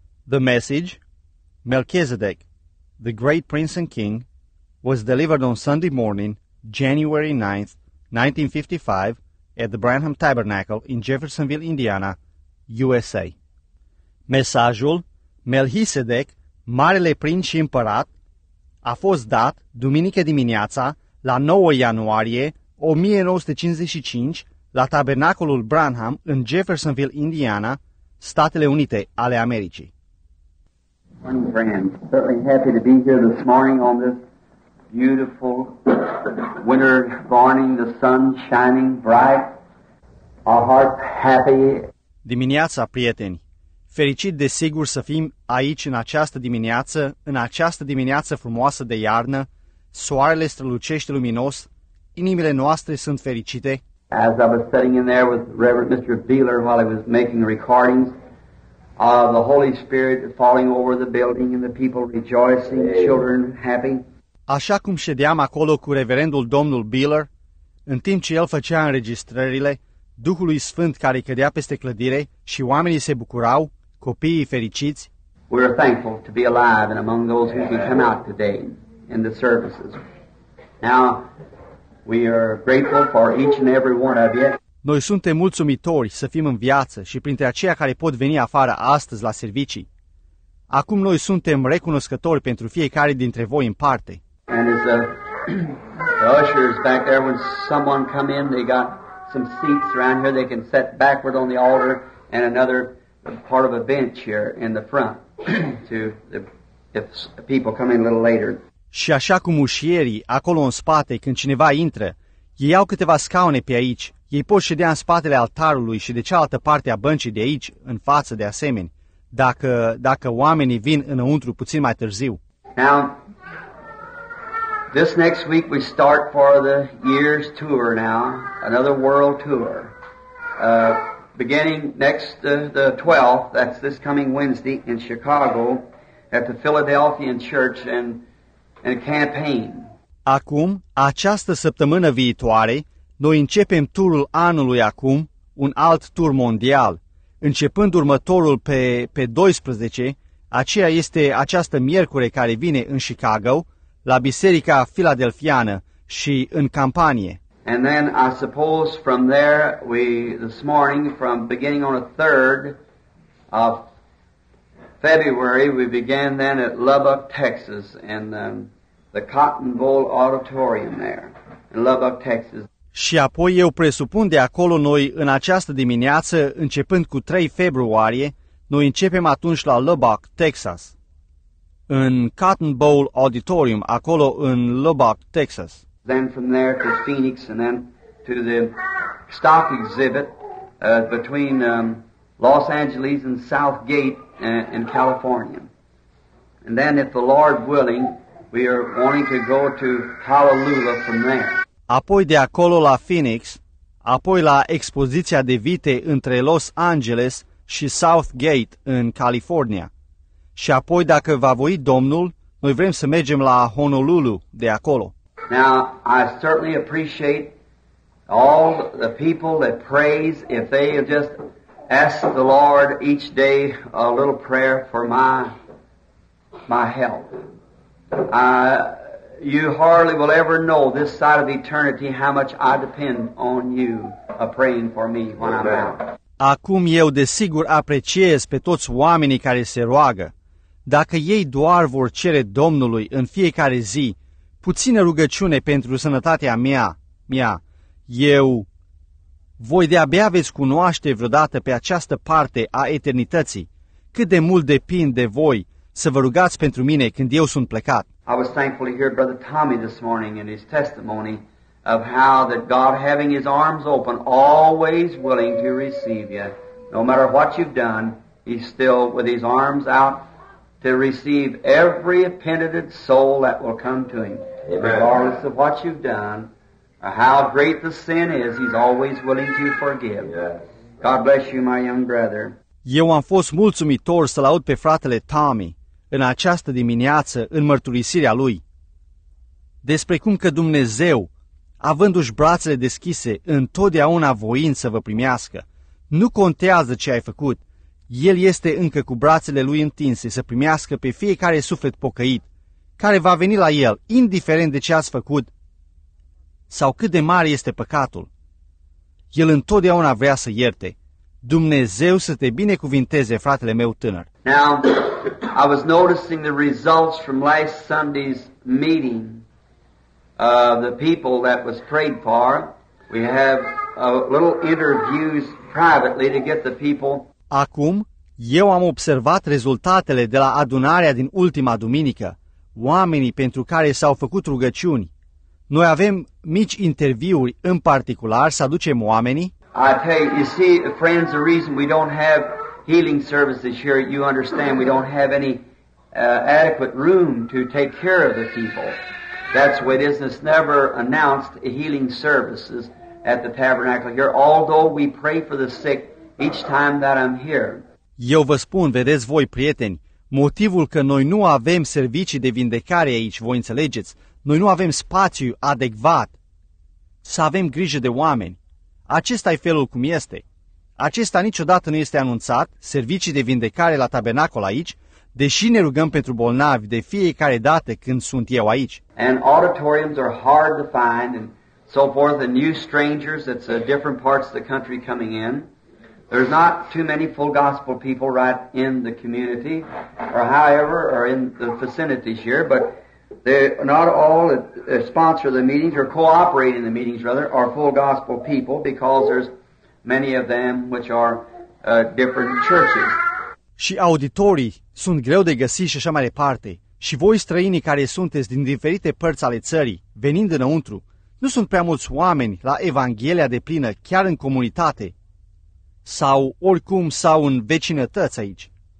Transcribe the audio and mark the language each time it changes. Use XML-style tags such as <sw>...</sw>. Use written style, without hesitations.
<en>The message, Melchizedek, the great prince and king, was delivered on Sunday morning, January 9, 1955, at the Branham Tabernacle in Jeffersonville, Indiana, USA.</en> <ro>Mesajul Melchizedek, Marele Prinț Împărat, a fost dat duminică dimineața la 9 ianuarie 1955 la Tabernacolul Branham în Jeffersonville, Indiana, Statele Unite ale Americii.</ro> <en>One friend, certainly happy to be here this morning on this beautiful winter morning, the sun shining bright, our hearts happy.</en> <ro>Dimineața, prieteni, fericit de sigur să fim aici în această dimineață, în această dimineață frumoasă de iarnă, soarele strălucește luminos, inimile noastre sunt fericite.</ro> <en>As I was sitting in there with Reverend Mr. Beeler while he was making recordings, the Holy Spirit falling over the building and the people rejoicing, children happy.</en> <ro>Așa cum ședeam acolo cu reverendul domnul Beeler, în timp ce el făcea înregistrările, Duhului Sfânt care cădea peste clădire și oamenii se bucurau, copiii fericiți.</ro> <en>We are thankful to be alive and among those who can come out today in the services. Now, we are grateful for each and every one of you.</en> <ro>Noi suntem mulțumitori să fim în viață și printre aceia care pot veni afară astăzi la servicii. Acum noi suntem recunoscători pentru fiecare dintre voi în parte.</ro> <en>And as the ushers back there, when someone come in, they got some seats around here, they can sit backward on the altar and another part of a bench here in the front to the, if people come in a little later.</en> <ro>Și așa cum ușierii, acolo în spate, când cineva intră, ei au câteva scaune pe aici, ei pot ședea în spatele altarului și de cealaltă parte a băncii de aici, în față de asemenea, dacă oamenii vin înăuntru puțin mai târziu.</ro> <en>Now, this next week we start for the year's tour now, another world tour. Beginning next the 12th, that's this coming Wednesday in Chicago, at the Philadelphian Church and campaign.</en> <ro>Acum, această săptămână viitoare, noi începem turul anului acum, un alt tur mondial, începând următorul pe 12, aceea este această miercure care vine în Chicago, la Biserica Filadelfiană și în campanie.</ro> <en>And then I suppose from there we this morning from beginning on the 3rd of February we began then at Lubbock, Texas in the Cotton Bowl Auditorium there in Lubbock, Texas.</en> <ro>Și apoi eu presupun de acolo noi în această dimineață începând cu 3 februarie, noi începem atunci la Lubbock, Texas. În Cotton Bowl Auditorium, acolo în Lubbock, Texas.</ro> <en>Then from there to Phoenix and then to the stock exhibit between Los Angeles and Southgate in California. And then if the Lord willing, we are wanting to go to Honolulu from there.</en> <ro>Apoi de acolo la Phoenix, apoi la expoziția de vite între Los Angeles și Southgate în California. Și apoi, dacă va voi Domnul, noi vrem să mergem la Honolulu de acolo.</ro> <en>Now, I certainly appreciate all the people that praise if they just ask the Lord each day a little prayer for my health. You hardly will ever know this side of eternity how much I depend on you a praying for me when I'm out.</en> <ro>Acum eu desigur apreciez pe toți oamenii care se roagă. Dacă ei doar vor cere Domnului în fiecare zi puțină rugăciune pentru sănătatea mea, eu voi de-abia veți cunoaște vreodată pe această parte a eternității cât de mult depind de voi să vă rugați pentru mine când eu sunt plecat.</ro> <en>I was thankful to hear Brother Tommy this morning and his testimony of how that God having his arms open, always willing to receive you, no matter what you've done, he's still with his arms out to receive every penitent soul that will come to him. Amen. Regardless of what you've done, or how great the sin is, he's always willing to forgive. Yes. God bless you, my young brother.</en> <ro>Eu am fost mulțumitor să-l aud pe fratele Tommy în această dimineață în mărturisirea lui. Despre cum că Dumnezeu, avându-și brațele deschise, întotdeauna voind să vă primească. Nu contează ce ai făcut, El este încă cu brațele lui întinse să primească pe fiecare suflet pocăit, care va veni la el, indiferent de ce ați făcut sau cât de mare este păcatul. El întotdeauna vrea să ierte. Dumnezeu să te binecuvinteze, fratele meu tânăr.</ro> <en>Now, I was noticing the results from last Sunday's meeting of the people that was prayed for. We have a little interviews privately to get the people.</en> <ro>Acum, eu am observat rezultatele de la adunarea din ultima duminică, oamenii pentru care s-au făcut rugăciuni. Noi avem mici interviuri în particular să aducem oamenii.</ro> <en>I tell you, you see, friends, the reason we don't have healing services here, you understand, we don't have any adequate room to take care of the people. That's the way it is. It's never announced healing services at the tabernacle here, although we pray for the sick each time that I'm here.</en> <ro>Eu vă spun, vedeți voi, prieteni, motivul că noi nu avem servicii de vindecare aici, voi înțelegeți, noi nu avem spațiu adecvat să avem grijă de oameni. Acesta e felul cum este. Acesta niciodată nu este anunțat, servicii de vindecare la tabernacol aici, deși ne rugăm pentru bolnavi de fiecare dată când sunt eu aici.</ro> <en>And auditoriums are hard to find and so forth, and new strangers, that's different parts of the country coming in. There's not too many full gospel people right in the community, or however, or in the vicinities here, but they're not all that sponsor the meetings, or cooperate in the meetings, rather, are full gospel people, because there's many of them which are different churches.</en> <ro>Și auditorii sunt greu de găsit și așa mai departe. Și voi străinii care sunteți din diferite părți ale țării, venind înăuntru, nu sunt prea mulți oameni la Evanghelia de plină, chiar în comunitate, sau oricum sau în vecinătăți aici.</ro>